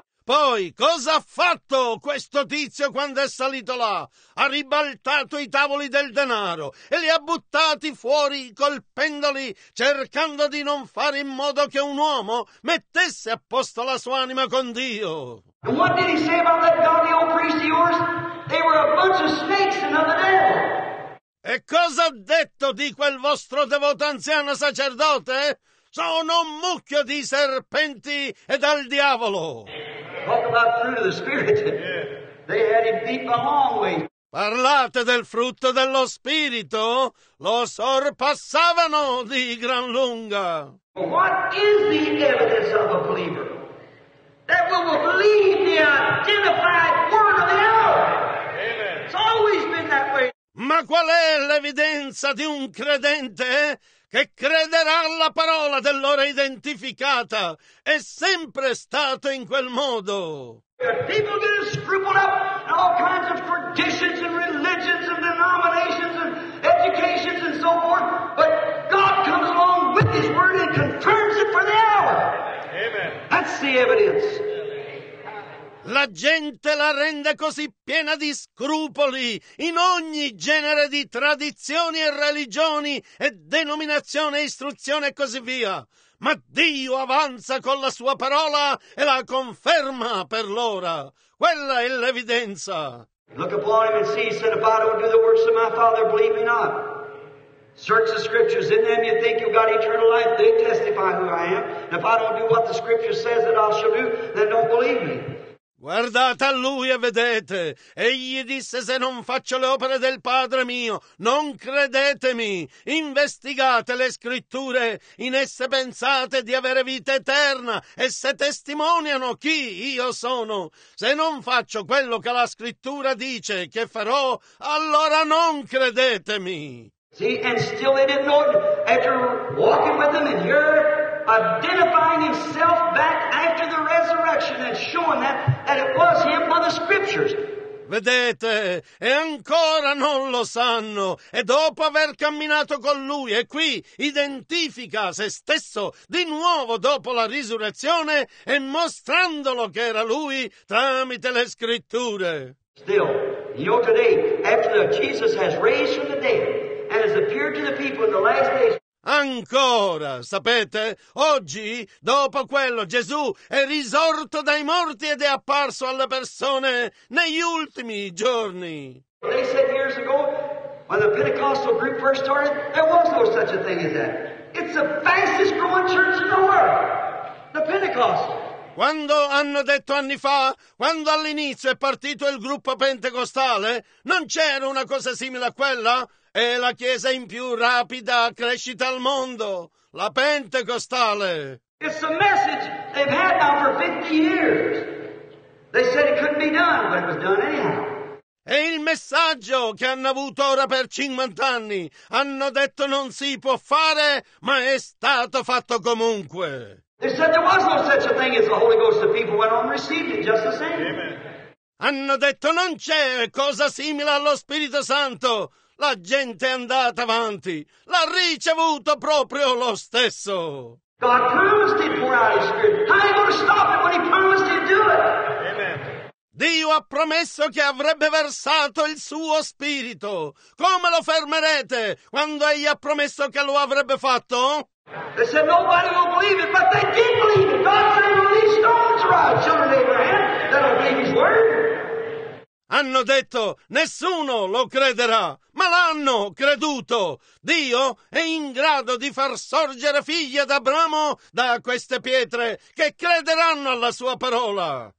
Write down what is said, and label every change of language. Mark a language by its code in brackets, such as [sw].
[it] Poi, cosa ha fatto questo tizio quando è salito là? Ha ribaltato i tavoli del denaro e li ha buttati fuori colpendoli, cercando di non fare in modo che un uomo mettesse a posto la sua anima con Dio. [en] And what did he say about that godly old priest of yours? They were a bunch of snakes and of the devil. [it] E cosa ha detto di quel vostro devoto anziano sacerdote? Sono un mucchio di serpenti e dal diavolo. [en] Talk about fruit of the Spirit. They had him beat the long way. [it] Parlate del frutto dello Spirito? Lo sorpassavano di gran lunga. [en] What is the evidence of a believer? That we will believe the identified word of the Lord. Amen. It's always been that way. [it] Ma qual è l'evidenza di un credente che crederà alla parola dell'ora identificata? È sempre stato in quel modo. [en] People get scrupled up in all kinds of traditions and religions and denominations and educations and so forth, but God comes along with His word and confirms it for the hour. Amen. That's the evidence. [it] La gente la rende così piena di scrupoli in ogni genere di tradizioni e religioni e denominazione e istruzione e così via. Ma Dio avanza con la sua parola e la conferma per l'ora. Quella è l'evidenza. [en] Look upon him and see, he said, if I don't do the works of my Father, believe me not. Search the scriptures, in them you think you've got eternal life, they testify who I am. And if I don't do what the scripture says that I shall do, then don't believe me. [it] Guardate a lui e vedete. Egli disse, se non faccio le opere del Padre mio, non credetemi. Investigate le scritture, in esse pensate di avere vita eterna, e se testimoniano chi io sono. Se non faccio quello che la scrittura dice che farò, allora non credetemi. [en] See, and still they didn't know, after walking with them in here, identifying himself back after the resurrection and showing that it was him by the scriptures. [it] Vedete, e ancora non lo sanno. E dopo aver camminato con lui, e qui identifica se stesso di nuovo dopo la risurrezione e mostrandolo che era lui tramite le scritture. [en] Still, you know today, after Jesus has raised from the dead and has appeared to the people in the last days. [it] Ancora, sapete, oggi, dopo quello, Gesù è risorto dai morti ed è apparso alle persone negli ultimi giorni. [en] They said years ago, when the Pentecostal group first started, there was no such a thing as that. It's the fastest growing church in the world, the Pentecostal. [it] Quando hanno detto anni fa, quando all'inizio è partito il gruppo pentecostale, non c'era una cosa simile a quella? È la chiesa in più rapida crescita al mondo, la pentecostale. [en] It's a message they've had now for 50 years. They said it couldn't be done, but it was done anyhow. [it] È il messaggio che hanno avuto ora per 50 anni. Hanno detto non si può fare, ma è stato fatto comunque. [en] They said there was no such a thing as the Holy Ghost. The people went on and received it just the same. Amen. [it] Hanno detto non c'è cosa simile allo Spirito Santo. La gente è andata avanti, l'ha ricevuto proprio lo stesso. [en] God promised it for our spirit. How are you going to stop it when He promised to do it? Amen. [it] Dio ha promesso che avrebbe versato il suo spirito. Come lo fermerete quando Egli ha promesso che lo avrebbe fatto? [en] They said nobody will believe it, but they did believe it. God said, "Release stones for our children, Abraham, that obey His word." [it] Hanno detto, nessuno lo crederà, ma l'hanno creduto. Dio è in grado di far sorgere figli ad Abramo da queste pietre che crederanno alla sua parola.